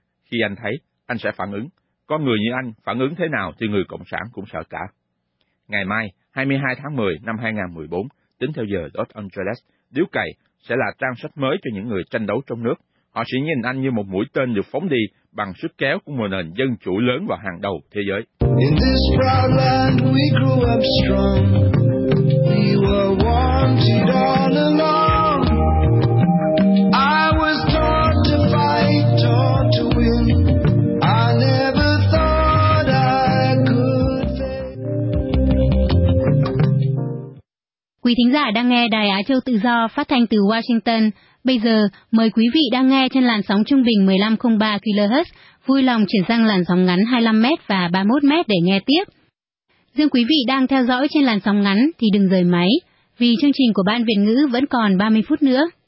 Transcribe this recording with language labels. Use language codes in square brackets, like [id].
[vi] Khi anh thấy, anh sẽ phản ứng. Con người như anh phản ứng thế nào thì người Cộng sản cũng sợ cả. Ngày mai, 22 tháng 10 năm 2014, tính theo giờ Los Angeles, Điếu Cày sẽ là trang sách mới cho những người tranh đấu trong nước. Họ sẽ nhìn anh như một mũi tên được phóng đi bằng sức kéo của một nền dân chủ lớn vào hàng đầu thế giới. [en] In this proud land we grew up strong. We were wanted all along. I was taught to fight, taught to win. I never thought I could fail. [vi] Quý thính giả đang nghe Đài Á Châu Tự Do phát thanh từ Washington. Bây giờ, mời quý vị đang nghe trên làn sóng trung bình 1503 kHz vui lòng chuyển sang làn sóng ngắn 25m và 31m để nghe tiếp. Riêng quý vị đang theo dõi trên làn sóng ngắn thì đừng rời máy, vì chương trình của Ban Việt ngữ vẫn còn 30 phút nữa.